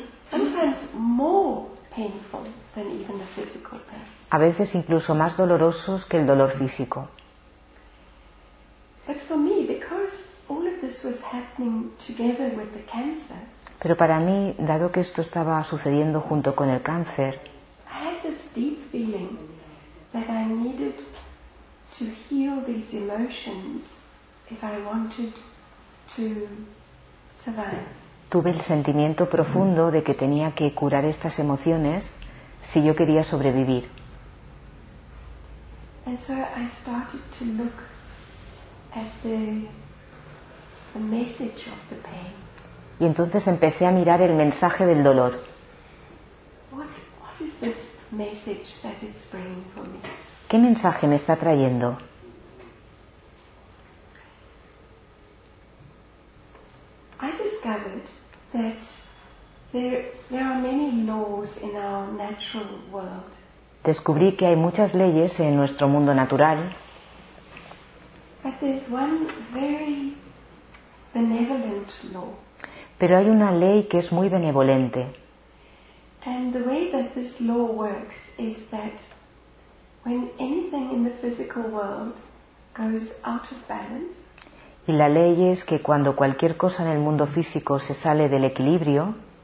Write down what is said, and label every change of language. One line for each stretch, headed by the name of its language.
English: Sometimes more painful than even the physical pain.
Spanish: A veces incluso más dolorosos que el dolor físico.
English: But for me, because all of this was happening together with the cancer.
Spanish: Pero para mí, dado que esto estaba sucediendo junto con el cáncer,
English: I had this deep feeling that I needed to heal these emotions if I wanted to survive.
Spanish: Tuve el sentimiento profundo de que tenía que curar estas emociones si yo quería sobrevivir.
English: And so I started to look at the message of the pain.
Spanish: Y entonces empecé a mirar el mensaje del dolor.
English: What is this message that it's bringing for me?
Spanish: ¿Qué mensaje me está trayendo?
English: I discovered that there are many laws in our natural world.
Spanish: Descubrí que hay muchas leyes en nuestro mundo natural.
English: But there's one very benevolent law.
Spanish: Pero hay una ley que es muy benevolente.
English: And the way that this law works is that when anything in the physical world goes out of balance.
Spanish: Y la ley es que cuando cualquier cosa en el mundo físico se sale del equilibrio,